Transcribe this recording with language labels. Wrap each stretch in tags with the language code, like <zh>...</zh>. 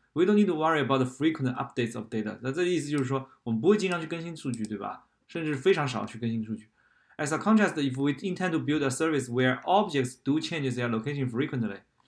<en>We don't need to worry about the frequent updates of data。</en> <zh>那这意思就是说，我们不会经常去更新数据，对吧？甚至非常少去更新数据。</zh> <en>As a contrast, if we intend to build a service where objects do change their location frequently。</en>